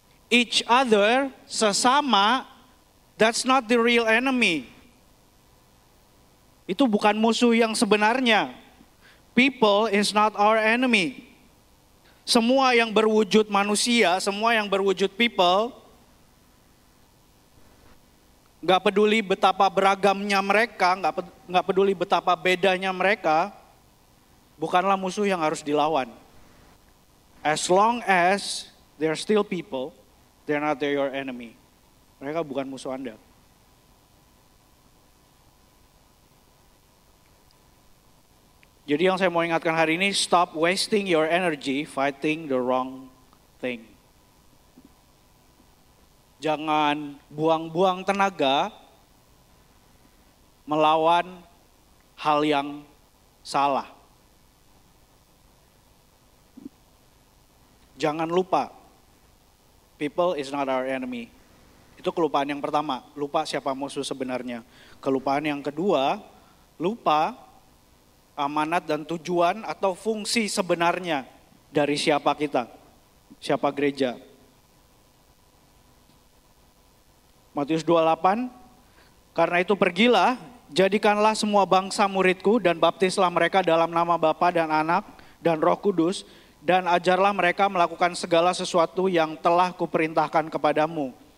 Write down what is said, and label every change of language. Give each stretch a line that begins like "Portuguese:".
English: Each other, sesama, that's not the real enemy.
Indonesian: Itu bukan musuh yang sebenarnya.
English: People is not our enemy.
Indonesian: Semua yang berwujud manusia, semua yang berwujud people, gak peduli betapa beragamnya mereka, gak peduli betapa bedanya mereka, bukanlah musuh yang harus dilawan.
English: As long as they're still people, they're not your enemy.
Indonesian: Mereka bukan musuh Anda. Jadi yang saya mau ingatkan hari ini,
English: stop wasting your energy fighting the wrong thing.
Indonesian: Jangan buang-buang tenaga melawan hal yang salah. Jangan lupa,
English: people is not our enemy.
Indonesian: Itu kelupaan yang pertama, lupa siapa musuh sebenarnya. Kelupaan yang kedua, lupa amanat dan tujuan atau fungsi sebenarnya dari siapa kita, siapa gereja. Matius 28, karena itu pergilah, jadikanlah semua bangsa muridku dan baptislah mereka dalam nama Bapa dan Anak dan Roh Kudus, dan ajarlah mereka melakukan segala sesuatu yang telah kuperintahkan kepadamu.